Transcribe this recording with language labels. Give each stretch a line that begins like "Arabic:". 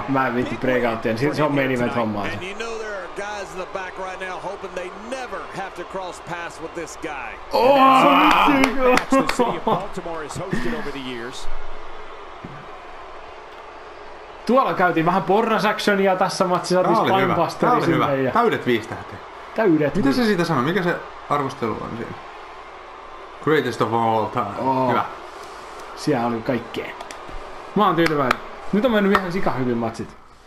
Finnish: Mä en viitti breakouttien. Siitä se on main event hommaa.
English: And you know there are guys in the back right now hoping they never have to cross paths with this guy. Oh! And that's what the match the city of Baltimore has hosted over the years.
Finnish: Tuolla käytiin vähän porrasactionia tässä matsissa. Tämä oli hyvä. Tämä oli hyvä. Ja... Täydet viisi tähteä. Täydet. Mitä se siitä sanoi? Mikä se arvostelu on siinä?
English: Greatest of all time. Oh. Hyvä.
Finnish: Siellä oli kaikkea. Mä oon tyytyväinen. Nyt on mennyt ihan sikahyvin matsit.